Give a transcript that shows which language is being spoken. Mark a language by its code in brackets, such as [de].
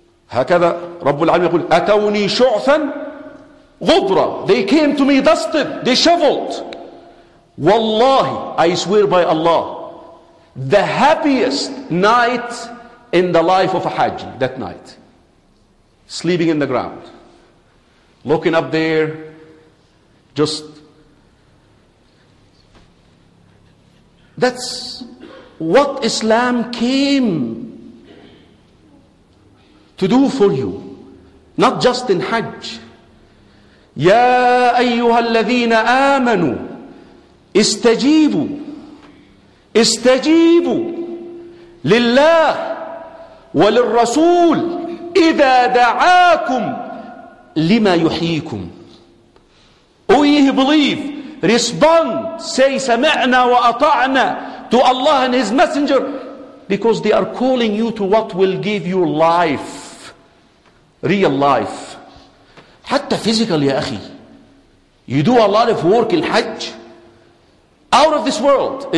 [ar] هكذا رب العالمين يقول أتوني شعفا غبرا. [en] They came to me dusted, disheveled. والله, I swear by Allah, the happiest night in the life of a Hajj, that night. Sleeping in the ground. Looking up there, just... That's what Islam came to do for you. Not just in Hajj. [ar] يَا أَيُّهَا الَّذِينَ آمَنُوا استجيبوا استجيبوا لله وللرسول إذا دعاكم لما يحييكم. [en] We believe, respond, say [ar] سمعنا وأطعنا [en] to Allah and His Messenger because they are calling you to what will give you life, real life. حتى physical [ar] يا أخي, [en] you do a lot of work in Hajj out of this world.